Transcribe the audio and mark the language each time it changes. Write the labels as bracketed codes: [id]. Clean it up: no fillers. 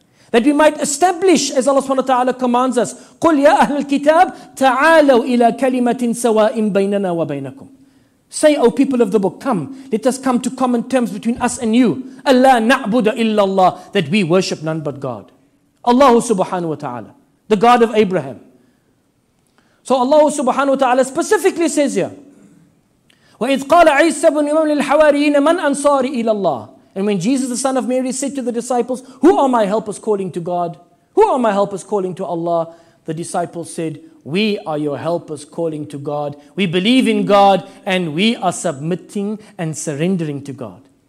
[en] That we might establish, as Allah subhanahu wa ta'ala commands us, [ar] قُلْ يَا أَهْلَ الْكِتَابِ تَعَالَوْا إِلَىٰ كَلِمَةٍ سَوَاءٍ بَيْنَنَا وَبَيْنَكُمْ. [en] Say, O people of the book, come, let us come to common terms between us and you. [ar] أَلَّا نَعْبُدَ إِلَّا اللَّهِ, [en] that we worship none but God. Allah subhanahu wa ta'ala, the God of Abraham. So Allah subhanahu wa ta'ala specifically says here, [ar] وَإِذْ قَالَ عِيسَى بْنُ مَرْيَمَ لِلْحَوَارِيِّينَ مَنْ أَنْصَارِ إِلَى اللَّهِ. [en] And when Jesus the son of Mary said to the disciples, who are my helpers calling to God? Who are my helpers calling to Allah? The disciples said, we are your helpers calling to God. We believe in God and we are submitting and surrendering to God.